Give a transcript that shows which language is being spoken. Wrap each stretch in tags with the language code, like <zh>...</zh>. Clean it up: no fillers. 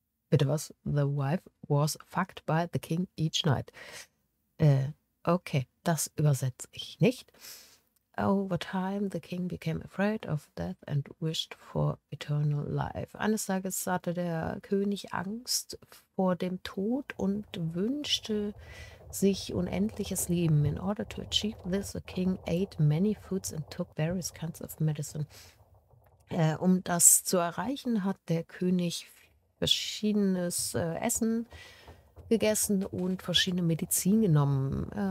<en>The wife was fucked by the king each night.</en> <de>Okay, das übersetze ich nicht.</de> <en>Over time, the king became afraid of death and wished for eternal life.</en> <de>Eines Tages hatte der König Angst vor dem Tod und wünschte sich unendliches Leben.</de> <en>In order to achieve this, the king ate many foods and took various kinds of medicine.</en> <de>Um das zu erreichen, hat der König verschiedenes Essen gegessen und verschiedene Medizin genommen.</de>